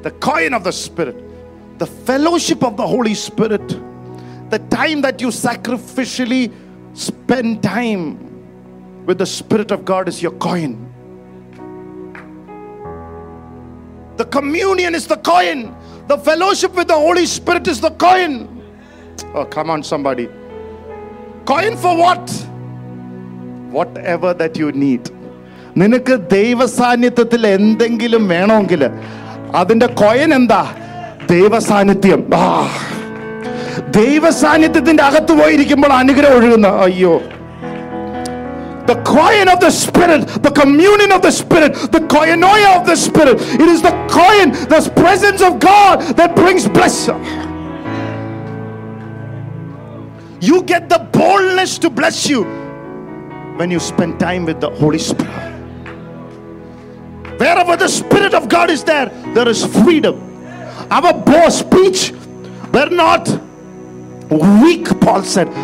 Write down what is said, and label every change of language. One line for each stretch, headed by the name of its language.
English: The coin of the Spirit, the fellowship of the Holy Spirit, the time that you sacrificially spend time with the Spirit of God is your coin. The communion is the coin. The fellowship with the Holy Spirit is the coin. Oh, come on, somebody. Coin for what? Whatever that you need.
Malayalam: നിനക്ക് ദൈവസാന്നിധ്യത്തിൽ എന്തെങ്കിലും വേണമെങ്കിൽ അതിന്റെ coin എന്താ? ദൈവസാന്നിധ്യം. ദൈവസാന്നിധ്യത്തിന്റെ അകത്ത് പോയിരിക്കുമ്പോൾ അനുഗ്രഹം ഒഴുകുന്ന, അയ്യോ,
English: the coin of the spirit, the communion of the spirit, the koinonia of the spirit. It is the coin, the presence of God that brings blessing. You get the boldness to bless you when you spend time with the Holy Spirit. Wherever the spirit of God is there, there is freedom. Our poor speech were not weak, Paul said.